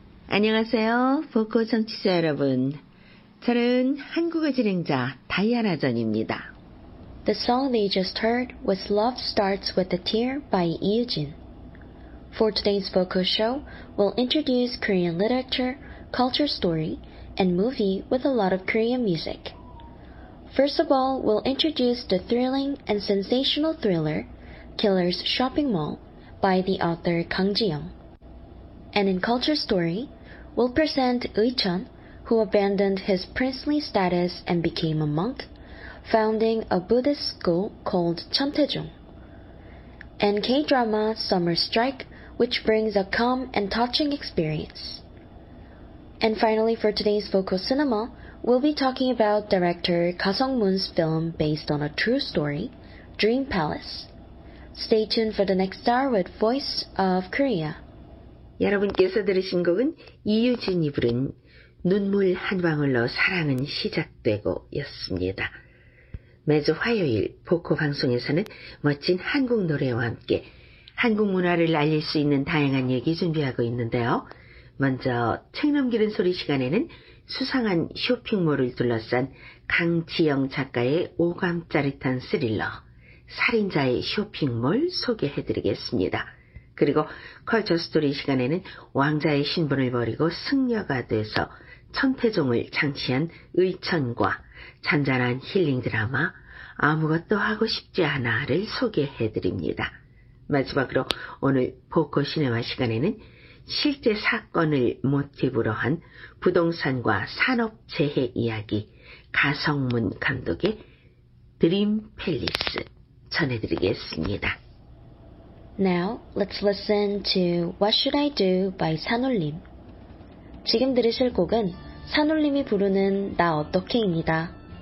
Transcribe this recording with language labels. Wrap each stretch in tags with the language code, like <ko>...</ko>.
<ko>안녕하세요, 보컬 청취자 여러분. 저는 한국어 진행자 다이아나 전입니다.</ko> <en>The song they just heard was Love Starts with a Tear by Eugene. For today's vocal show, we'll introduce Korean literature, culture story, and movie with a lot of Korean music. First of all, we'll introduce the thrilling and sensational thriller, Killer's Shopping Mall, by the author Kang Ji-young. And in culture story, we'll present Eui Chun, who abandoned his princely status and became a monk, founding a Buddhist school called Chamtaejung. And K-drama Summer Strike, which brings a calm and touching experience. And finally, for today's Focus Cinema, we'll be talking about director Ka Sung-moon's film based on a true story, Dream Palace. Stay tuned for the next hour with Voice of Korea.</en> <ko>여러분께서 들으신 곡은 이유진이 부른 눈물 한 방울로 사랑은 시작되고 였습니다. 매주 화요일 보코 방송에서는 멋진 한국 노래와 함께 한국 문화를 알릴 수 있는 다양한 얘기 준비하고 있는데요. 먼저 책 넘기는 소리 시간에는 수상한 쇼핑몰을 둘러싼 강지영 작가의 오감 짜릿한 스릴러 살인자의 쇼핑몰 소개해드리겠습니다. 그리고 컬처 스토리 시간에는 왕자의 신분을 버리고 승려가 돼서 천태종을 창시한 의천과 잔잔한 힐링 드라마 아무것도 하고 싶지 않아를 소개해드립니다. 마지막으로 오늘 보코 시네마 시간에는 실제 사건을 모티브로 한 부동산과 산업재해 이야기 가성문 감독의 드림 팰리스 전해드리겠습니다.</ko> <en>Now, let's listen to What Should I Do by 산울림.</en> <ko>지금 들으실 곡은 산울림이 부르는 나 어떻게입니다.</ko>